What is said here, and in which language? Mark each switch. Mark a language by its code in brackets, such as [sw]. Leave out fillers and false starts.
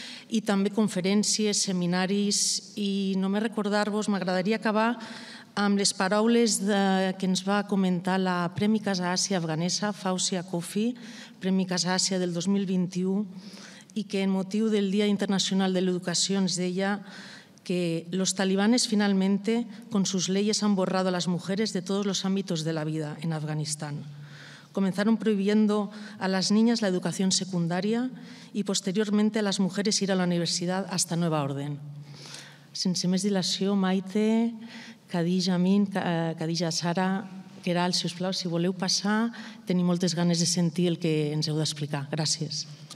[ca] i també conferències, seminaris, i només recordar-vos, m'agradaria acabar amb les paraules que ens va comentar la Premi Casa Àsia Afganesa, Fawzia Kofi, Premi Casa Àsia del 2021, i que en motiu del Dia Internacional de l'Educació ens deia que [es] los talibanes finalmente con sus leyes han borrado a las mujeres de todos los ámbitos de la vida en Afganistán. Comenzaron prohibiendo a las niñas la educación secundaria y posteriormente a las mujeres ir a la universidad hasta nueva orden. [ca] Sense més dilació, Maite, Khadija Amin, Khadija Sara, Queralt, si us plau, si voleu passar, tenim moltes ganes de sentir el que ens heu d'explicar. Gràcies.